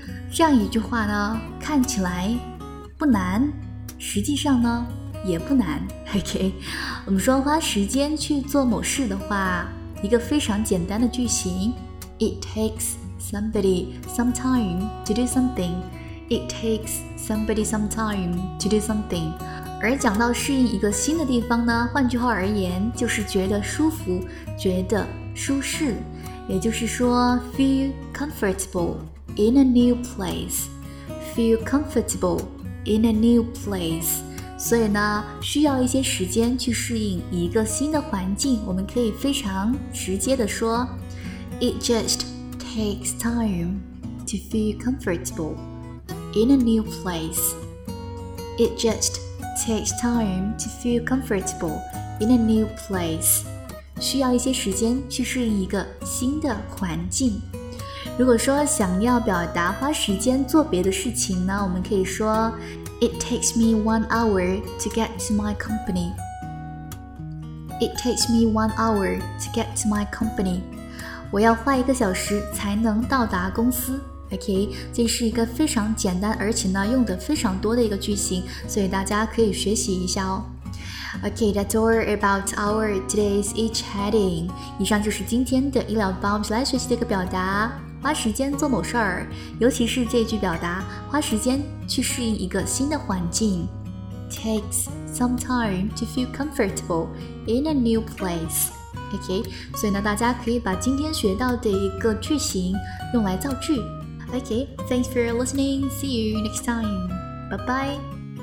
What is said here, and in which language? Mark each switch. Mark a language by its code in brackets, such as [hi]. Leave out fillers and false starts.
[zh] 这样一句话呢，看起来不难，实际上呢也不难。 OK， 我们说花时间去做某事的话，一个非常简单的句型 ， [en] It takes somebody some time to do something. It takes somebody some time to do something. [zh] 而讲到适应一个新的地方呢，换句话而言，就是觉得舒服，觉得舒适，也就是说 [en] feel comfortable in a new place, [zh] feel comfortable in a new place。所以呢，需要一些时间去适应一个新的环境，我们可以非常直接的说 [en] It just takes time to feel comfortable in a new place. It justTakes time to feel comfortable in a new place. [zh] 需要一些时间去适应一个新的环境。如果说想要表达花时间做别的事情呢，我们可以说 [en] It takes me 1 hour to get to my company. It takes me 1 hour to get to my company. [zh] 我要花一个小时才能到达公司。OK， 这是一个非常简单而且呢用的非常多的一个句型，所以大家可以学习一下哦。 [en] OK， that's all about our today's each heading。 [zh] 以上就是今天的一聊吧，我们来学习的一个表达，花时间做某事儿，尤其是这句表达，花时间去适应一个新的环境。 [en] Takes some time to feel comfortable in a new placeOK， [zh] 所以呢，大家可以把今天学到的一个句型用来造句。 [en] OK， thanks for listening. See you next time. Bye bye.